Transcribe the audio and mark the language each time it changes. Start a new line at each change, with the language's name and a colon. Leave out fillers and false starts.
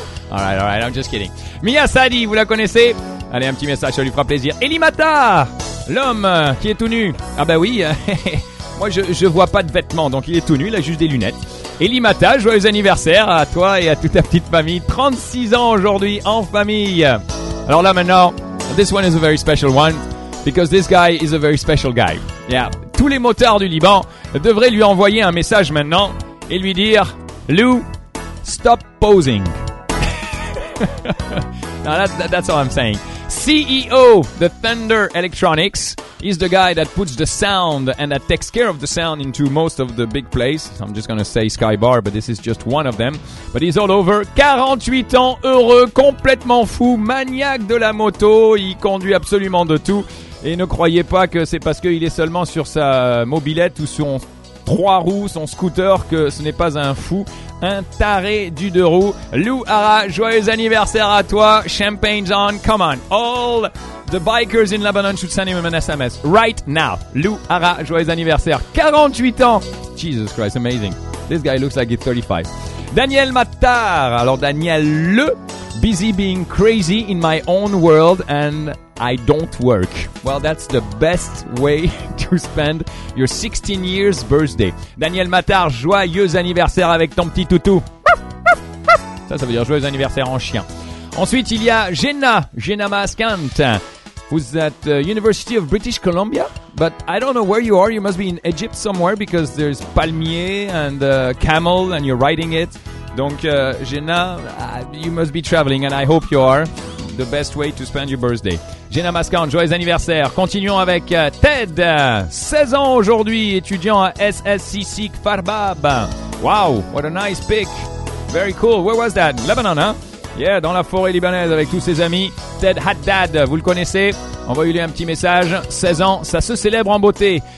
English: Alright, alright, I'm just kidding. Mia Sadi,
French: vous la connaissez? Allez, un petit message, ça lui fera plaisir. Elimata, l'homme qui est tout nu. Ah bah oui, moi je vois pas de vêtements, donc il est tout nu, il a juste des lunettes. Elimata, joyeux anniversaire à toi et à toute ta petite famille. 36 ans aujourd'hui en famille. Alors là maintenant,
English: this one is a very special one, because this guy is a very special guy.
French: Yeah, tous les motards du Liban devraient lui envoyer un message maintenant et lui dire, Lou,
English: stop posing. Now that's all I'm saying. CEO, the Thunder Electronics, is the guy that puts the sound and that takes care of the sound into most of the big plays. I'm just going to say Skybar, but this is just one of them. But he's all over.
French: 48 ans, heureux, complètement fou, maniaque de la moto. Il conduit absolument de tout. Et ne croyez pas que c'est parce qu'il est seulement sur sa mobilette ou son trois roues, son scooter, que ce n'est pas un fou. Un taré du deux roues. Lou Hara, joyeux anniversaire à toi.
English: Champagne's on, come on. All the bikers in Lebanon should send him an SMS right now.
French: Lou Hara, joyeux anniversaire. 48 ans.
English: Jesus Christ, amazing. This guy looks like he's 35. Daniel Matar.
French: Alors
English: Daniel Le, busy being crazy in my own world and I don't work. Well, that's the best way to spend your 16 years birthday.
French: Daniel Matar, joyeux anniversaire avec ton petit toutou. Ça veut dire joyeux anniversaire en chien. Ensuite, il y a Jenna Maskant,
English: who's at University of British Columbia. But I don't know where you are. You must be in Egypt somewhere because there's palmier and camel and you're riding it.
French: Donc,
English: Jenna, you must be traveling and I hope you are. The best way to spend your birthday. Jenna Maskant,
French: joyeux anniversaire. Continuons avec Ted, 16 ans aujourd'hui, étudiant à SSCC Kfarbab.
English: Wow, what a nice pick. Very cool. Where was that? Lebanon, hein?
French: Yeah, dans la forêt libanaise avec tous ses amis. Ted Haddad, vous le connaissez? Envoyez-lui un petit message. 16 ans, ça se célèbre en beauté.